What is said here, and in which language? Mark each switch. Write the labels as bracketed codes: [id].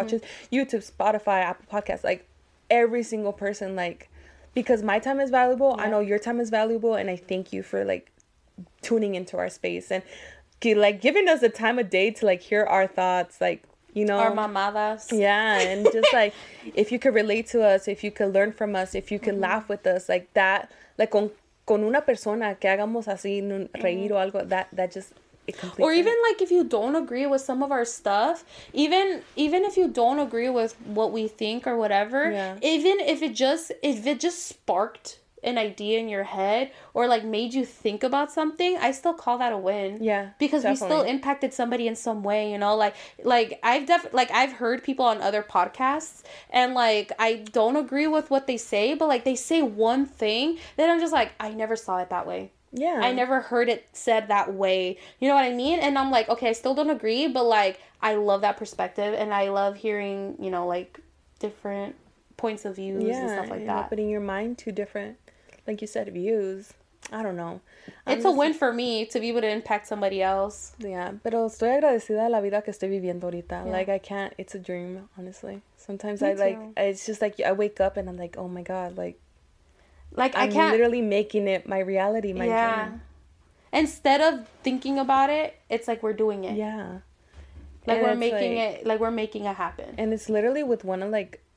[en] watches YouTube, Spotify, Apple Podcasts, like every single person, like, because my time is valuable. Yeah. I know your time is valuable. And I thank you for, like, tuning into our space. And, like, giving us a time of day to, like, hear our thoughts. Like, you know. Our mamadas. Yeah. And just, like, if you could relate to us. If you could learn from us. If you could mm-hmm. laugh with us. Like, that. [es] Like, con una persona que hagamos así reír o algo. [en] That just... Or even like if you don't agree with some of our stuff, even if you don't agree with what we think or whatever, yeah. even if it just sparked an idea in your head or like made you think about something, I still call that a win. Yeah, because definitely. We still impacted somebody in some way, you know, I've heard people on other podcasts and like I don't agree with what they say, but like they say one thing then I'm just like, I never saw it that way. Yeah. I never heard it said that way. You know what I mean? And I'm like, okay, I still don't agree, but like, I love that perspective and I love hearing, you know, like different points of views yeah, and stuff like and that. Opening your mind to different, like you said, views. I don't know. It's a win for me to be able to impact somebody else. Yeah. [es] Pero estoy agradecida a la vida que estoy viviendo ahorita. [en] Yeah. Like, I can't, it's a dream, honestly. Sometimes me I too. Like, it's just like, I wake up and I'm like, oh my God, like, like, I can't... I'm literally making it my reality, my yeah. dream. Instead of thinking about it, it's like we're doing it. Yeah. Like, and we're making like, it... Like, we're making it happen. And it's literally with one of, like...